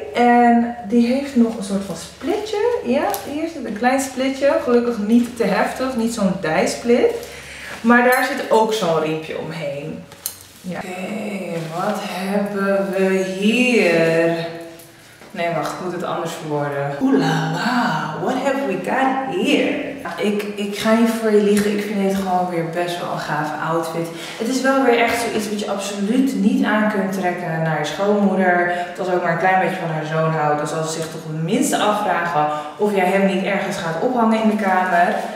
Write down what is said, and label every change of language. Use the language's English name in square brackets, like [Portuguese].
[Dutch] En die heeft nog een soort van splitje. Ja, hier zit een klein splitje. Gelukkig niet te heftig. Niet zo'n dijsplit. Maar daar zit ook zo'n riempje omheen. Ja. Oké, wat hebben we hier? Nee, wacht. Ik moet het anders verwoorden. [English] Oelala, what have we got here? [Dutch] Ik ga niet voor je liegen. Ik vind dit gewoon weer best wel een gave outfit. Het is wel weer echt zoiets wat je absoluut niet aan kunt trekken naar je schoonmoeder. Dat ook maar een klein beetje van haar zoon houdt. Dan zal ze zich toch het minste afvragen of jij hem niet ergens gaat ophangen in de kamer.